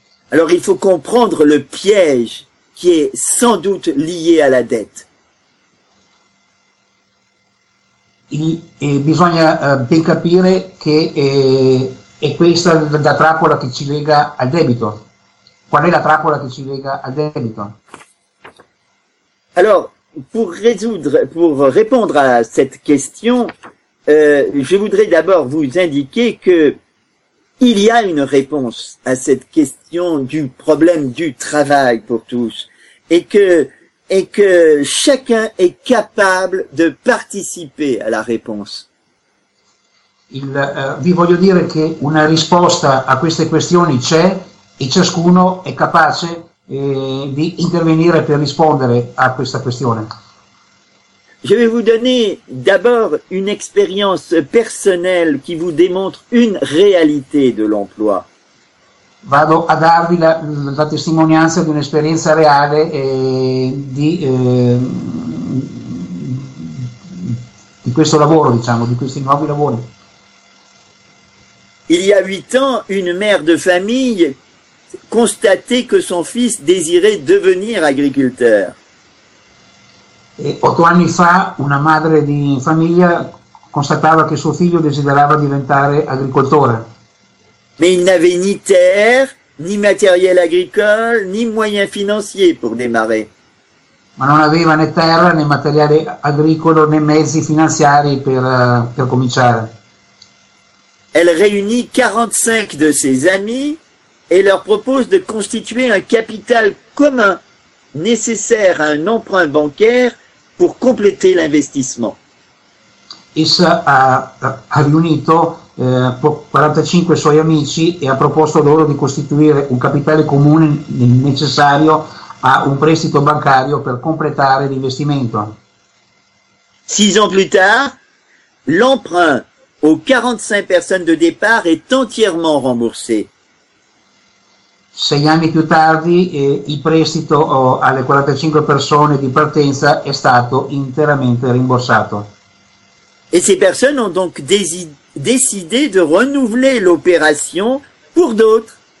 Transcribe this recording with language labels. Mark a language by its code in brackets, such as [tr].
[fr] Il faut comprendre le piège qui est sans doute lié à la dette. [it] Bisogna ben capire che è questa la trappola che ci lega al debito. Qual è la trappola che ci lega al debito? [fr] Alors, pour répondre à cette question, je voudrais d'abord vous indiquer que il y a une réponse à cette question du problème du travail pour tous et que chacun est capable de participer à la réponse. [it] Vi voglio dire che una risposta a queste questioni c'è. E ciascuno è capace, di intervenire per rispondere a questa questione. [fr] Je vais vous donner d'abord une expérience personnelle qui vous démontre une réalité de l'emploi. [it] Vado a darvi la testimonianza di un'esperienza reale, di questo lavoro, diciamo, di questi nuovi lavori. [fr] Il y a 8 ans, une mère de famille constater que son fils désirait devenir agriculteur. [it] Otto anni fa una madre di famiglia constatava che suo figlio desiderava diventare agricoltore. [fr] Mais il n'avait ni terre, ni matériel agricole, ni moyens financiers pour démarrer. [it] Ma non aveva né terra, né materiale agricolo, né mezzi finanziari per cominciare. [fr] Elle réunit 45 de ses amis et leur propose de constituer un capital commun nécessaire à un emprunt bancaire pour compléter l'investissement. [it] Essa ha riunito 45 suoi amici e ha proposto loro di costituire un capitale comune necessario a un prestito bancario per completare l'investimento. [fr] 6 ans plus tard, l'emprunt aux 45 personnes de départ est entièrement remboursé. [it] 6 anni più tardi, il prestito alle 45 persone di partenza è stato interamente rimborsato. [fr] Et ces personnes ont donc décidé de renouveler l'opération pour d'autres.